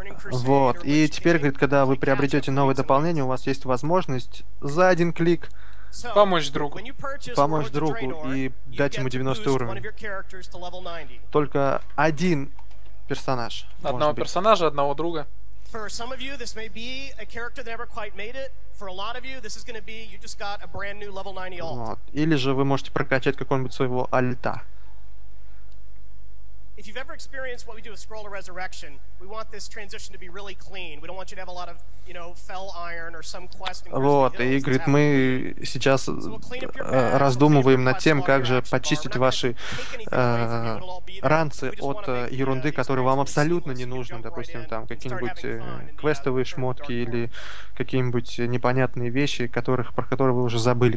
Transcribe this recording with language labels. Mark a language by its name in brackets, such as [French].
[Russian] Вот, и теперь, говорит, когда вы приобретете новое дополнение, у вас есть возможность за один клик помочь другу и дать ему 90 уровень. Только один персонаж. Одного персонажа, одного друга. [English] For some of you, this may be a character that never quite made it. For a lot of you, this is going to be you just got a brand new level 90 alt. [Russian] Вот. Или же вы можете прокачать какого-нибудь своего альта. [English] If you've ever experienced what we do with Scroll of Resurrection, we want this transition to be really clean. We don't want you to have a lot of, you know, fell iron or some quest. [Russian] Вот, и говорит, мы сейчас раздумываем над тем, как же почистить ваши ранцы от ерунды, которая вам абсолютно не нужна. Допустим, там какие-нибудь квестовые шмотки или какие-нибудь непонятные вещи, про которые вы уже забыли.